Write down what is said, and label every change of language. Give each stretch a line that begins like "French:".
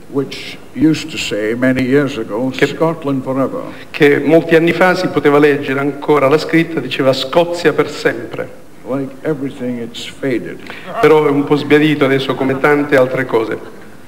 English: Which used to say many years ago, Scotland forever.
Italian: Che molti anni fa si poteva leggere ancora la scritta, diceva Scozia per sempre.
English: Like everything, it's faded.
Italian: Però è un po' sbiadito adesso come tante altre cose.